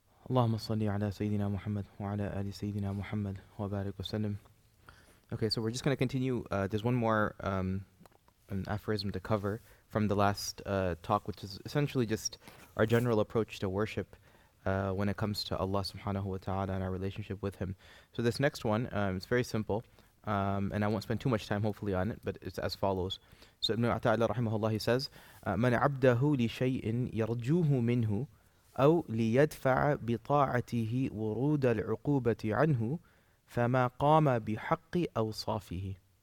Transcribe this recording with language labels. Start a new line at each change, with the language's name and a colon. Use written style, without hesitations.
Arabic: اللهم صل على سيدنا محمد وعلى آل سيدنا محمد وبارك وسلم.
English: Okay, so we're just going to continue. There's one more an aphorism to cover from the last talk, which is essentially just our general approach to worship when it comes to Allah subhanahu wa ta'ala and our relationship with Him. So this next one, it's very simple, and I won't spend too much time hopefully on it, but it's as follows. So Ibn Ata'ala rahimahullah, he says,
Arabic: مَنْ عَبْدَهُ لِشَيْءٍ يَرْجُوهُ مِنْهُ أَوْ لِيَدْفَعَ بِطَاعَتِهِ وُرُودَ الْعُقُوبَةِ عَنْهُ فَمَا قَامَ بِحَقِّ أَوْصَافِهِ.